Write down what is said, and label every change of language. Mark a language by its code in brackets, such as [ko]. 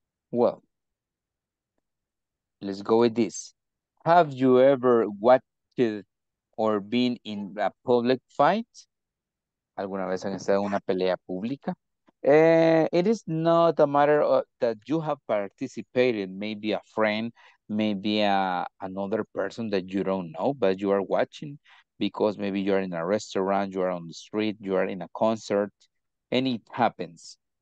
[en] Well, let's go with this. Have you ever watched or been in a public fight? [es] ¿Alguna vez han estado en una pelea pública? [en] It is not a matter of, that you have participated, maybe a friend, maybe another person that you don't know, but you are watching because maybe you are in a restaurant, you are on the street, you are in a concert, and it happens.